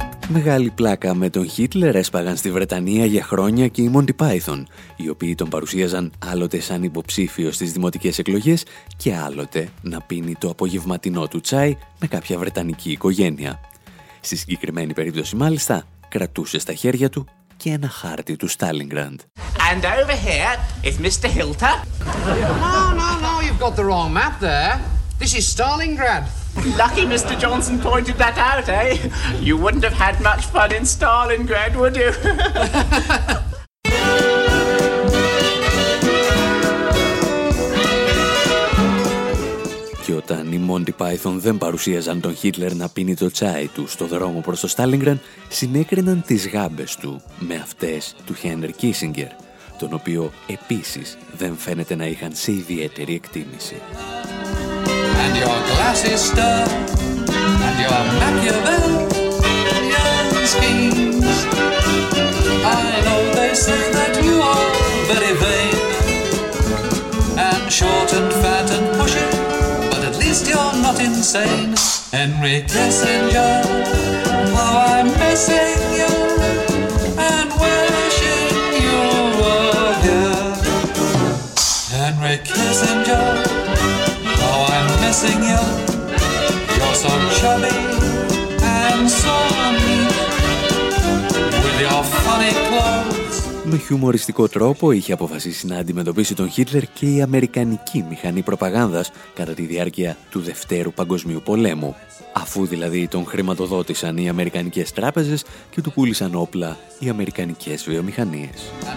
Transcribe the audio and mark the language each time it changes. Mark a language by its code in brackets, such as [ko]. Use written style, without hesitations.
[el] Μεγάλη πλάκα με τον Χίτλερ έσπαγαν στη Βρετανία για χρόνια και οι Monty Python, οι οποίοι τον παρουσίαζαν άλλοτε σαν υποψήφιο στις δημοτικές εκλογές και άλλοτε να πίνει το απογευματινό του τσάι με κάποια βρετανική οικογένεια. Στη συγκεκριμένη περίπτωση μάλιστα, κρατούσε στα χέρια του και ένα χάρτη του Στάλινγκραντ. [en] And over here is Mr. Hilter. No, you've got the wrong map there. This is Stalingrad. Lucky Mr. Johnson pointed that out, eh? You wouldn't have had much fun in Stalingrad, would you? [el] Και όταν οι Monty Python δεν παρουσίαζαν τον Χίτλερ να πίνει το τσάι του στο δρόμο προς το Στάλινγκραντ, συνέκριναν τις γάμπες του με αυτές του Χένρι Κίσιγκερ, τον οποίο επίσης δεν φαίνεται να είχαν σε ιδιαίτερη εκτίμηση. [en] And your glass is stirred, and your Machiavellian schemes. I know they say that you are very vain, and short and fat and pushy, but at least you're not insane. Henry Kissinger, how I'm missing you, and wishing you were here. Henry Kissinger, missing you, you're so chubby and so mean with your funny clothes. [el] Με χιουμοριστικό τρόπο είχε αποφασίσει να αντιμετωπίσει τον Χίτλερ και η Αμερικανική μηχανή προπαγάνδας κατά τη διάρκεια του Δευτέρου Παγκοσμίου Πολέμου, αφού δηλαδή τον χρηματοδότησαν οι Αμερικανικές τράπεζες και του πούλησαν όπλα οι Αμερικανικές βιομηχανίες.